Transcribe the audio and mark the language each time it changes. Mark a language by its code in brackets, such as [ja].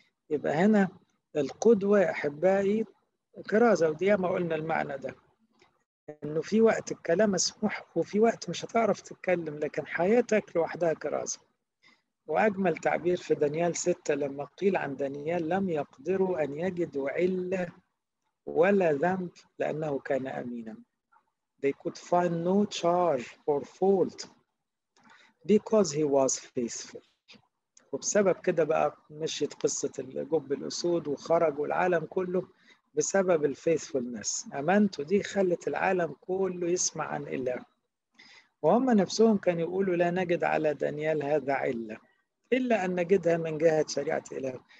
[ar] يبقى هنا القدوة يا أحبائي كرازة، ودي ما قلنا المعنى ده، إنه في وقت الكلام مسموح وفي وقت مش هتعرف تتكلم، لكن حياتك لوحدها كرازة. وأجمل تعبير في دانيال 6 لما قيل عن دانيال لم يقدروا أن يجدوا علة ولا ذنب لأنه كان أمينا. [en] They could find no charge or fault because he was faithful. [ar] وبسبب كده بقى مشيت قصة الجب الأسود وخرج والعالم كله بسبب الفيثفولنس، أمانته دي خلت العالم كله يسمع عن إله. وهم نفسهم كان يقولوا لا نجد على دانيال هذا علة إلا أن نجدها من جهة شريعة إله.